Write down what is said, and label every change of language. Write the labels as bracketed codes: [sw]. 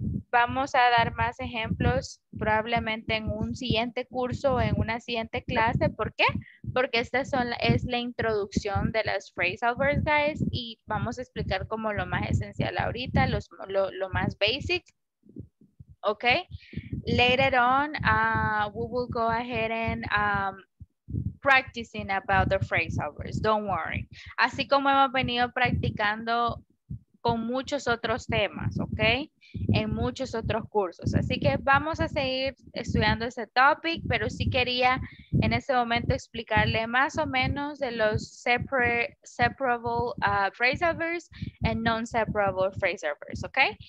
[es] Vamos a dar más ejemplos probablemente en un siguiente curso o en una siguiente clase. ¿Por qué? Porque esta es la introducción de las phrasal verbs, guys. Y vamos a explicar como lo más esencial ahorita, lo más basic. [en] Okay, later on, we will go ahead and practicing about the phrasal verbs. Don't worry. [es] Así como hemos venido practicando con muchos otros temas, okay, en muchos otros cursos. Así que vamos a seguir estudiando ese topic, pero sí quería en ese momento explicarle más o menos de los [en] separable phrasal verbs and non-separable phrasal verbs, [es] okay?